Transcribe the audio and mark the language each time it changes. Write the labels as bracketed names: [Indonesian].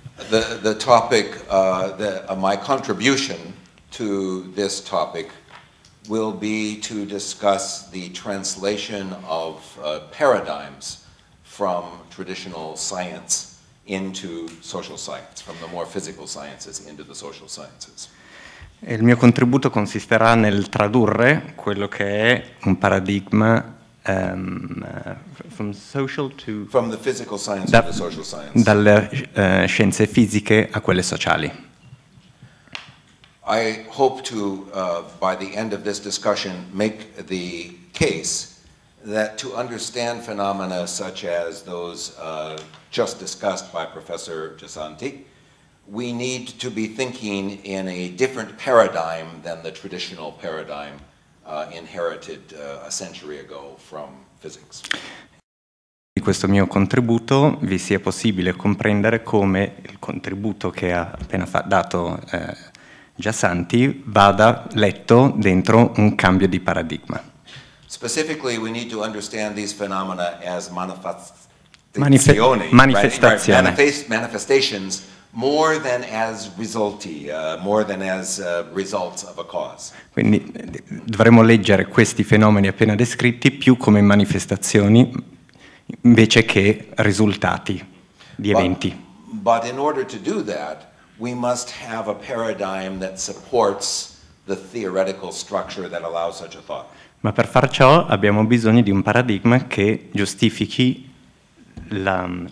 [English] The topic, my contribution to this topic will be to discuss the translation of paradigms from traditional science into social science, from the more physical sciences into the social sciences. [Italian] Il mio contributo consisterà nel tradurre quello che è un paradigma dalle scienze fisiche a quelle sociali. [English] I hope to by the end of this discussion make the case that to understand phenomena such as those just discussed by Professor Giasanti, we need to be thinking in a different paradigm than the traditional paradigm inherited a century ago from physics. [Italian] Di questo mio contributo vi sia possibile comprendere come il contributo che ha appena dato Giasanti vada letto dentro un cambio di paradigma. [English] Specifically, we need to understand these phenomena as manifestations more than as risulti, more than as results of a cause. [Italian] Quindi dovremmo leggere questi fenomeni appena descritti più come manifestazioni invece che risultati di eventi. [English] But in order to do that, we must have a paradigm that supports the theoretical structure that allows such a thought. [Italian] Ma per far ciò abbiamo bisogno di un paradigma che giustifichi la